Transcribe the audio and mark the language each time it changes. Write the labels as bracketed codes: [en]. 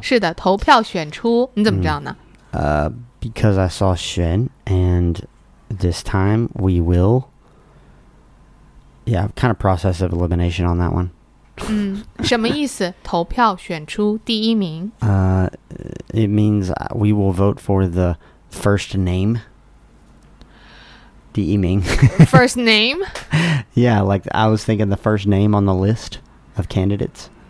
[zh] 是的投票选出你怎么知道呢 [en] Because I saw 选 and this time we will Yeah, kind of process of elimination on that one [zh] 什么意思投票选出第一名 [en] It means we will vote for the first name. [zh] 第一名 [en] First name? Yeah, like I was thinking the first name on the list of candidates.